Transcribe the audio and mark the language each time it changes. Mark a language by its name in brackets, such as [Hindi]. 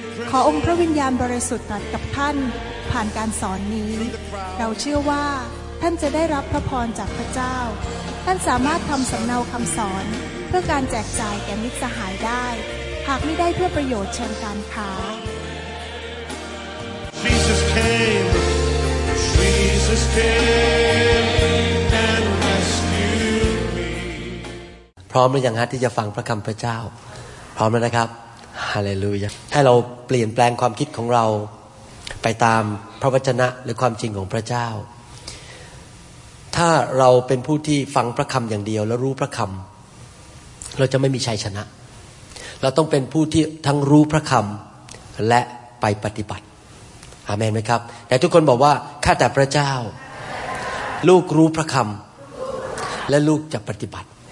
[Thai] ขอองค์พระวิญญาณบริสุทธิ์ตรัสกับท่านผ่านการสอนนี้เราเชื่อว่าท่านจะได้รับพระพรจากพระเจ้าท่านสามารถทำสำเนาคำสอนเพื่อการแจกจ่ายแก่มิตรสหายได้หากไม่ได้เพื่อประโยชน์เชิงการค้า [English] Jesus cameJesus came and rescued me. [Thai] พร้อมหรือยังฮะที่จะฟังพระคำพระเจ้าพร้อมแล้วนะครับฮาเลลูยาให้เราเปลี่ยนแปลงความคิดของเราไปตามพระวจนะหรือความจริงของพระเจ้าถ้าเราเป็นผู้ที่ฟังพระคำอย่างเดียวแล้วรู้พระคำเราจะไม่มีชัยชนะเราต้องเป็นผู้ที่ทั้งรู้พระคำและไปปฏิบัติอาเมนไหมครับแต่ทุกคนบอกว่าข้าแต่พระเจ้าลูกรู้พระคำและลูกจะปฏิบัติ